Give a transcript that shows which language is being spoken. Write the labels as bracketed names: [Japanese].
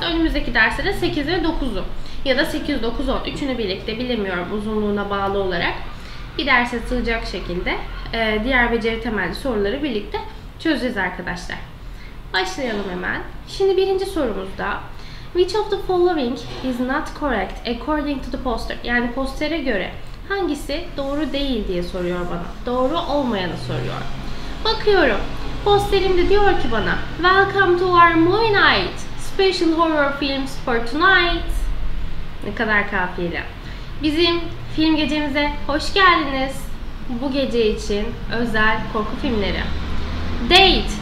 [Turkish] Önümüzdeki derste de 8 ve 9'u ya da 8, 9, 10 üçünü birlikte bilemiyorum uzunluğuna bağlı olarak bir derse sığacak şekilde diğer beceri temelli soruları birlikte çözeceğiz arkadaşlar. Başlayalım hemen. Şimdi birinci sorumuzda [English] which of the following is not correct according to the poster? [Turkish] Yani postere göre hangisi doğru değil diye soruyor bana. Doğru olmayanı soruyor. Bakıyorum. Posterimde diyor ki bana [English] welcome to our movie night. Special horror films for tonight. [Turkish] Ne kadar kafiyeli. Bizim film gecemize hoş geldiniz. Bu gece için özel korku filmleri. Date.